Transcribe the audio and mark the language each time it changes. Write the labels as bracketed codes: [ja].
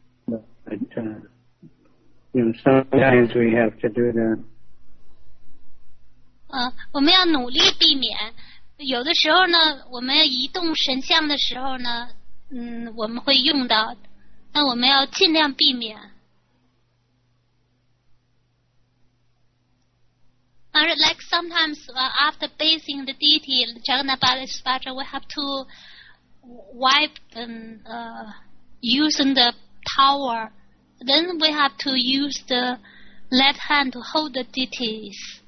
[en] But, you know, sometimes we have to do that. [zh] 我们要努力避免。有的时候呢，我们移动神像的时候呢，我们会用到，但我们要尽量避免。 [en] Like sometimes after bathing the deity, Jagannath Balasubhadra, we have to wipe and using the towel. Then we have to use the left hand to hold the deities.